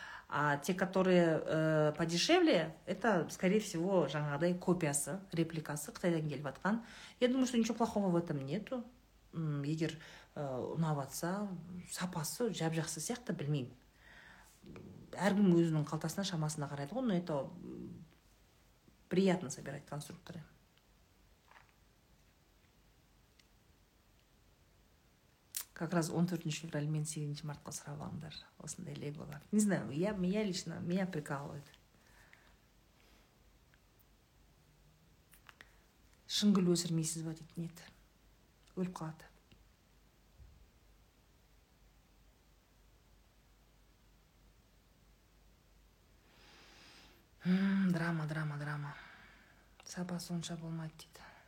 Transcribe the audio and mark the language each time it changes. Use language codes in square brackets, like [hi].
[ru] А те, которые подешевле, это, скорее всего, [kk] жаңағыдай копиясы, репликасы, қытайдан келіп атқан. [ru] Я думаю, что ничего плохого в этом нету. [kk] Егер ұнап атса, сапасы жәп жақсы сияқты, білмеймін. Әргім өзінің қалтасына шамасына қарайды ғой, [ru] но это приятно собирать конструкторы. Как раз [kk] 14 февраль мен 8 мартқа сұрап алыңдар осындай леголар. [ru] Не знаю, я лично, меня прикалывает. [kk] Шыңгүл өсірмейсіз ба дейді, нет. Өліп қалады. Драма. Сапасы онша болмайды дейді.